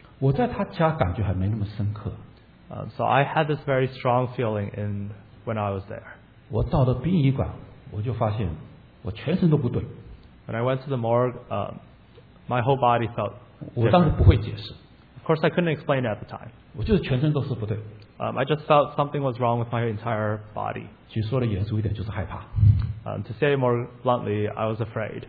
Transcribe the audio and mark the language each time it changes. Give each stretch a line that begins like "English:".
Chinese: 我在他家感觉还没那么深刻。
English: So I had this very strong feeling in when I was there.
Chinese: 我到了殡仪馆，我就发现我全身都不对。
English: When I went to the morgue, my whole body felt different.
Chinese: 我当时不会解释。
English: Of course, I couldn't explain it at the time. I just felt something was wrong with my entire body. To say it more bluntly, I was afraid.